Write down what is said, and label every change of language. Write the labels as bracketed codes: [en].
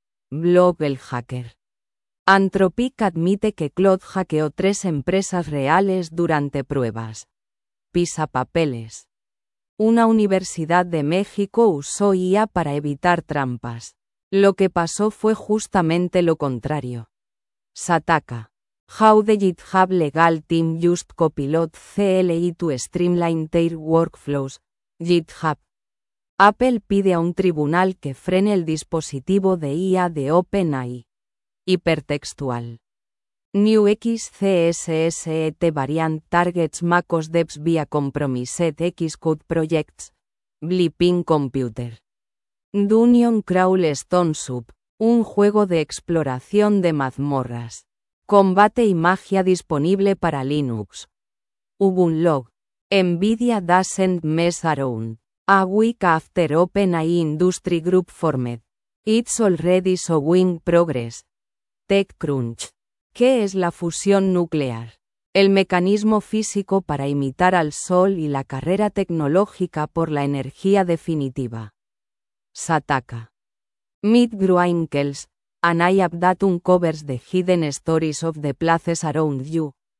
[es] Blog El Hacker. Anthropic admite que Claude hackeó 3 empresas reales durante pruebas. Pisa papeles. Una universidad de México usó IA para evitar trampas. Lo que pasó fue justamente lo contrario. Sataka. [en] How the GitHub Legal Team used Copilot CLI to streamline their workflows. [es] GitHub. Apple pide a un tribunal que frene el dispositivo de IA de OpenAI. [en] Hipertextual. New XCSSET variant targets macOS devs via compromised Xcode projects. Blipping Computer. Dungeon Crawl Stone Soup. [es] Un juego de exploración de mazmorras. Combate y magia disponible para Linux. Ubunlog. [en] Nvidia doesn't mess around. A week after OpenAI Industry Group formed. It's already showing progress. TechCrunch. [es] ¿Qué es la fusión nuclear? El mecanismo físico para imitar al Sol y la carrera tecnológica por la energía definitiva. Sataka. [en] Meet Gruinkels, an iAppDatum covers the hidden stories of the places around you.